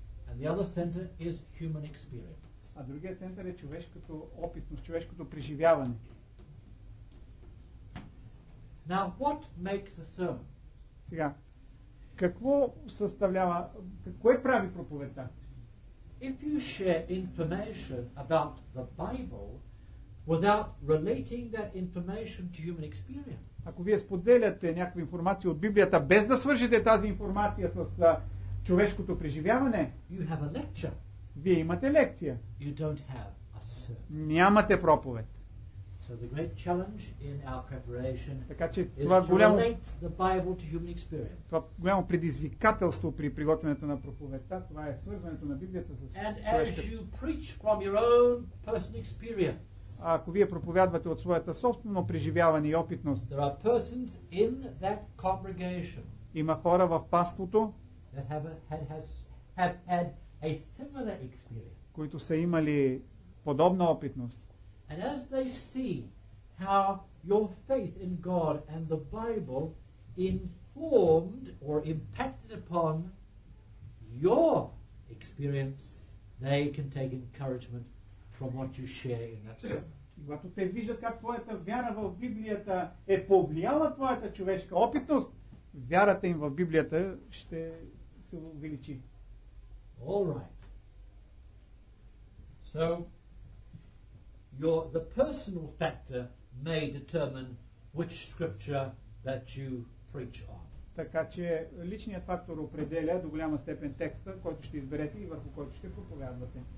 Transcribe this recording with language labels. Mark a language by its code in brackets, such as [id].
[en] And the other center is human experience. [bg] а другия център е човешкото опитност, човешкото преживяване. [en] Now, what makes a sermon? [bg] Сега, какво съставлява, кое прави проповедта? [en] If you share information about the Bible without relating that information to human experience. [bg] Ако вие споделяте някаква информация от Библията без да свържете тази информация с човешкото преживяване, [en] you have a lecture. [bg] Вие имате лекция. [en] You don't have a sermon. [bg] Нямате проповед. [en] So the great challenge in our preparation [bg] така, че [en] is [bg] това голямо, [en] to relate the Bible to human experience. [bg] Това голямо предизвикателство при приготвянето на проповедта, това е свързването на Библията с човешката. А ако вие проповядвате от своята собствено преживяване и опитност, [en] there are persons in that congregation, [bg] има хора в паството, [en] that have had a similar experience, [bg] които са имали подобна опитност. [en] And as they see how your faith in God and the Bible informed or impacted upon your experience, they can take encouragement from what you share in that sermon. [bg] Когато те виждат как твоята вяра в Библията е повлияла твоята човешка опитност, вярата им в Библията ще се увеличи. [en] All right. So the personal factor may determine which scripture that you preach on. [bg] Така че личният фактор определя до голяма степен текста, който ще изберете и върху който ще проповядвате.